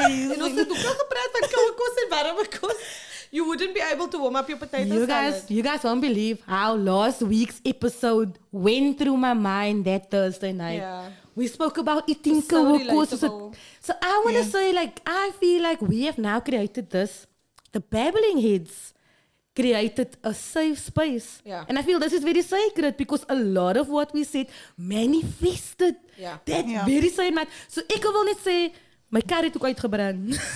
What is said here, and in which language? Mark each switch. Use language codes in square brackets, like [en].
[af] En ons het ook al gepraat van koue kos en warme kos. [en] You wouldn't be able to warm up your potato salad. You guys won't believe how last week's episode went through my mind that Thursday night. Yeah. We spoke about eating koue kos. So I want to say, like, I feel like we have now created this. The babbling heads created a safe space. Yeah. And I feel this is very sacred because a lot of what we said manifested that very same night. [af] So ek wil net sê, my kar het ook uitgebrand.